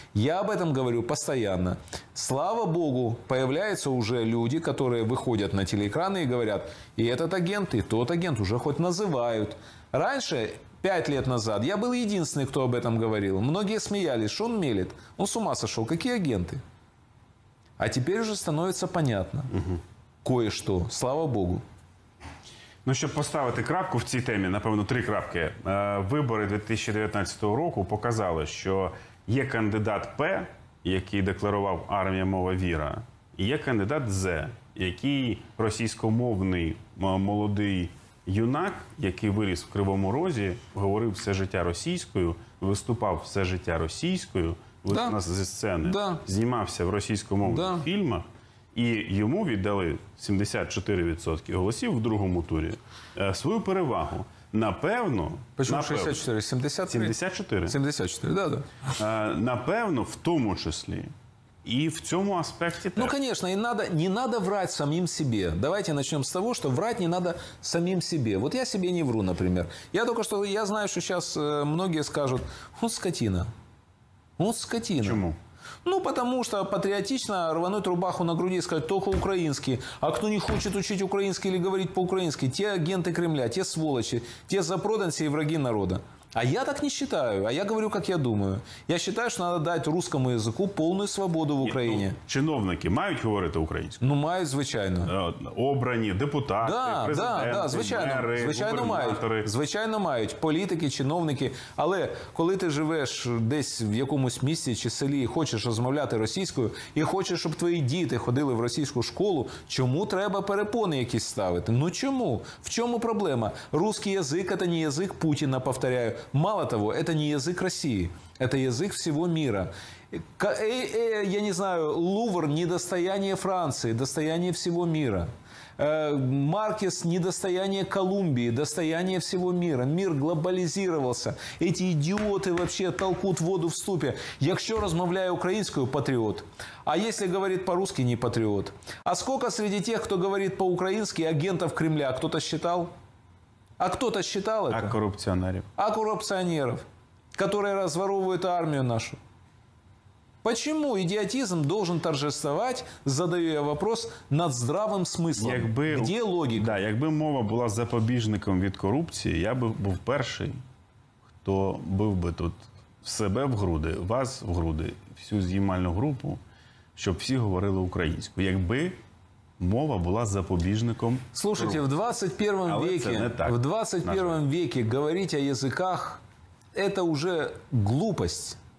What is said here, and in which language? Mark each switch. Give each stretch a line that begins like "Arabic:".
Russian: Я об этом говорю постоянно. Слава Богу, появляются уже люди, которые выходят на телеэкраны и говорят, и этот агент, и тот агент уже хоть называют. Раньше... 5 лет назад я был единственный, кто об этом говорил. Многие смеялись, что он мелет. Он с ума сошел. Какие агенты? А теперь уже становится понятно. Угу. Кое-что. Слава Богу.
Ukrainian: Ну, щоб поставити крапку в цій темі, напевно, 3 крапки. Вибори 2019 року показали, що є кандидат П, який декларував армія, мова, віра. І є кандидат З, який російськомовний молодий юнак, який виріс в Кривому Розі, говорив все життя російською, виступав все життя російською, виступав зі сцени, знімався в російськомовних фільмах, і йому віддали 74% голосів в другому турі свою перевагу. Напевно,
Russian: почему 64? 73? 74. 74, да, да.
Ukrainian: Напевно, в тому числі, и в цьому аспекте так.
Russian: Ну, конечно, и надо, не надо врать самим себе. Давайте начнем с того, что врать не надо самим себе. Вот я себе не вру, например. Я только что, я знаю, что сейчас многие скажут, вот скотина. Вот скотина. Почему? Ну, потому что патриотично рвануть рубаху на груди и сказать, только украинский. А кто не хочет учить украинский или говорить по-украински, те агенты Кремля, те сволочи, те запроданцы и враги народа. А я так не считаю, а я говорю, как я думаю. Я считаю, что надо дать русскому языку полную свободу в Украине.
Ukrainian: Ну, чиновники мають говорити українською? Ну, мають, звичайно. Обрані, депутати, да, президенти, да, звичайно, мери, звичайно, губернатори. Звичайно, мають. Політики, чиновники. Але коли ти живеш десь в якомусь місті чи селі і хочеш розмовляти російською, і хочеш, щоб твої діти ходили в російську школу, чому треба перепони якісь ставити? Ну чому? В чому проблема?
Russian: Русский язык – это не язык Путіна, повторяю. Мало того, это не язык России, это язык всего мира. Я не знаю, Лувр – недостояние Франции, достояние всего мира. Маркес – недостояние Колумбии, достояние всего мира. Мир глобализировался. Эти идиоты вообще толкут воду в ступе.
Ukrainian: Якщо розмовляю українською – патріот.
Russian: А если говорит по-русски –
Ukrainian: не патріот.
Russian: А сколько среди тех, кто говорит по-украински, агентов Кремля, кто-то считал? А кто-то считал это? А коррупционеров. А коррупционеров, которые разворовывают армию нашу. Почему идиотизм должен торжествовать, задаю я вопрос, над здравым смыслом?
Ukrainian: Якби,
Russian: где логика?
Ukrainian: Да, якби мова була запобіжником від корупції, я би був перший, хто бив би тут себе в груди, вас в груди, всю знімальну групу, щоб всі говорили українською. Якби мова була запобіжником.
Russian: Слушайте, в 21 веке, в 21 веке говорить о языках – это уже глупость.